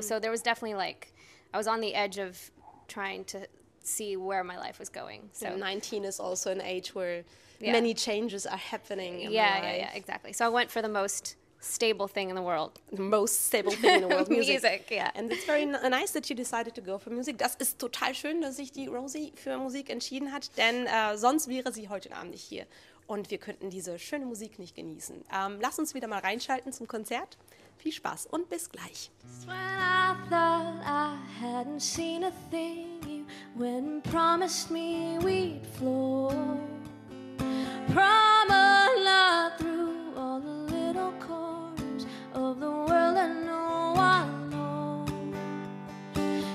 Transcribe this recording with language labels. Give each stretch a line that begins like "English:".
English: So there was definitely, like, I was on the edge of trying to see where my life was going. So 19 is also an age where many changes are happening in my life. Yeah, exactly. So I went for the most stable thing in the world. The most stable thing in the world, music. Music, yeah. And it's very nice that you decided to go for music.
German: Das ist total schön, dass sich die Rosie für Musik entschieden hat, denn sonst wäre sie heute Abend nicht hier und wir könnten diese schöne Musik nicht genießen. Lass uns wieder mal reinschalten zum Konzert. Viel Spaß und bis gleich.
English: Just when I thought I hadn't seen a thing, you went and promised me we'd float. Promenade through all the little corners of the world that no one knows.